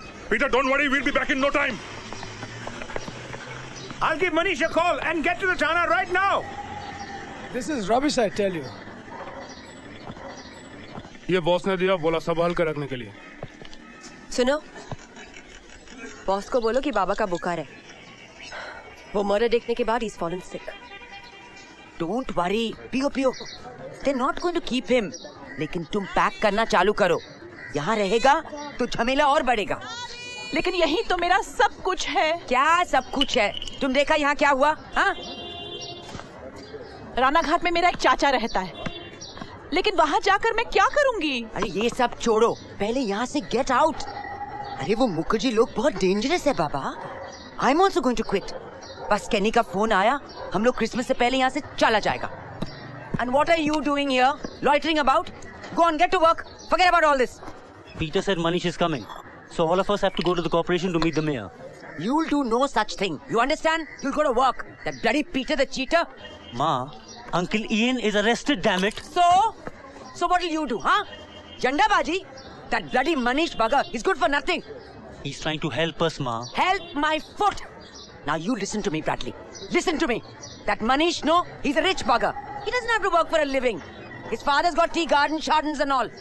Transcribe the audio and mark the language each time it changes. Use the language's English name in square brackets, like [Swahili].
[English] Peter, don't worry, we'll be back in no time. I'll give Manish a call and get to the Thana right now. This is rubbish, I tell you. [Hindi] ये boss ने दिया बोला संभाल कर रखने के लिए सुनो बॉस को बोलो कि बाबा का बुखार है वो मर्डर देखने के बाद he's fallen sick don't worry पियो पियो they're not going to keep him लेकिन तुम पैक करना चालू करो यहाँ रहेगा तो झमेला और बढ़ेगा लेकिन यही तो मेरा सब कुछ है क्या सब कुछ है तुम देखा यहाँ क्या हुआ हाँ रानाघाट में मेरा एक चाचा रहता है लेकिन वहां जाकर मैं क्या करूंगी अरे ये सब छोड़ो पहले यहाँ से गेट आउट अरे वो मुखर्जी लोग बहुत डेंजरस है बाबा I am also going to quit बस केनी का फोन आया हम लोग क्रिसमस से पहले यहाँ से चला जाएगा and what are you doing here loitering about go on gate to work forget about all this [English] Peter said Manish is coming so all of us have to go to the corporation to meet the mayor you will do no such thing you understand you will go to work that bloody Peter the cheater मां Uncle Ian is arrested, damn it. So what will you do, huh? Janda Baji, that bloody Manish bugger, he's good for nothing. He's trying to help us, Ma. Help my foot. Now you listen to me, Bradley. Listen to me. That Manish, no, he's a rich bugger. He doesn't have to work for a living. His father's got tea gardens, shardens and all.